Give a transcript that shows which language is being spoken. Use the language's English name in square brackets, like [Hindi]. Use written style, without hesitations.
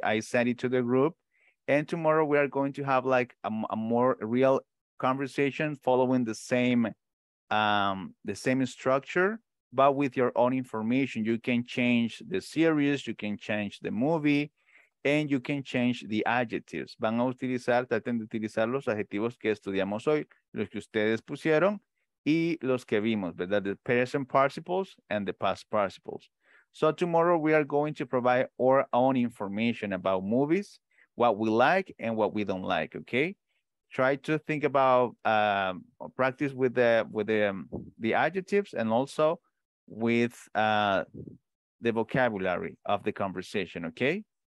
[English] I send it to the group. And tomorrow we are going to have like a more real conversation following the same structure, but with your own information. You can change the series, you can change the movie, and you can change the adjectives. [Spanish] Van a utilizar, traten de utilizar los adjetivos que estudiamos hoy, los que ustedes pusieron y los que vimos, ¿verdad? [English] The present participles and the past participles. So tomorrow we are going to provide our own information about movies, what we like and what we don't like, okay? Try to think about, practice with the adjectives and also with the vocabulary of the conversation, okay?